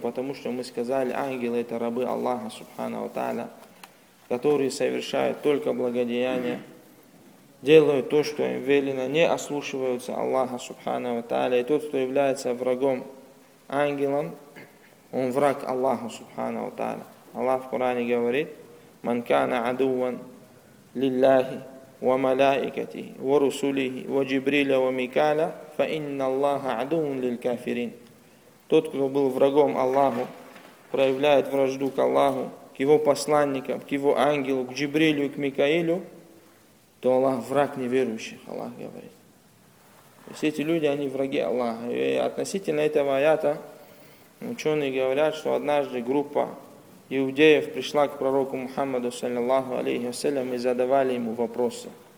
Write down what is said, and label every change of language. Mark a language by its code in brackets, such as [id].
[ru] Потому что мы сказали, ангелы это рабы Аллаха, субханаху ва тааля, которые совершают только благодеяния, делают то, что им велено, не ослушиваются Аллаха, субханаху ва тааля. И тот, кто является врагом ангелам, он враг Аллаха, субханаху ва тааля. Аллах в Коране говорит, [ar] «Ман кана адуван лиллахи». وملائكته ورسله وجبريل وميكائيل فإن الله عدو للكافرين. [ru] Тот, кто был врагом Аллаху, проявляет вражду к Аллаху, к его посланникам, к его ангелу, к Джибрилю и к Микаилю, то Аллах враг неверующих, Аллах говорит. То есть эти люди, они враги Аллаха. И относительно этого аята, ученые говорят, что однажды группа иудеев пришла к пророку Мухаммаду, саллиллаху алейхи вассалям, и задавали ему вопросы.